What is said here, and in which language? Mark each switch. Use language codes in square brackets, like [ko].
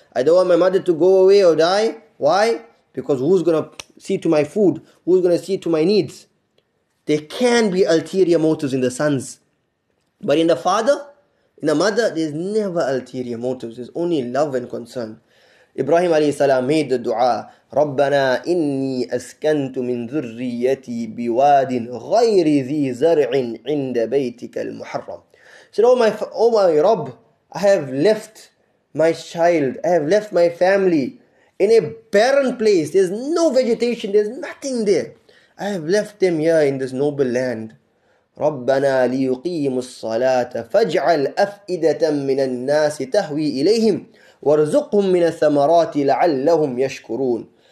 [en] I don't want my mother to go away or die. Why? Because who's going to see to my food? Who's going to see to my needs? There can be ulterior motives in the sons. But in the father, in the mother, there's never ulterior motives. There's only love and concern. Ibrahim alayhi salam made the dua, [ar] رَبَّنَا إِنِّي أَسْكَنْتُ مِنْ ذُرِّيَّتِي بِوَادٍ غَيْرِ ذِي زَرْعٍ عِنْدَ بَيْتِكَ الْمُحَرَّمِ. [en] Said, oh my Rabb, I have left my child, I have left my family in a barren place. There's no vegetation, there's nothing there. I have left them here in this noble land. [ar] رَبَّنَا لِيُقِيمُ الصَّلَاةَ فَاجْعَلْ أَفْئِدَةً مِّنَ النَّاسِ تَهْوِي إِلَيْهِمْ وَارْزُقْهُمْ مِّنَ الثَّمَرَاتِ لَعَلَّهُمْ يَشْكُرُونَ.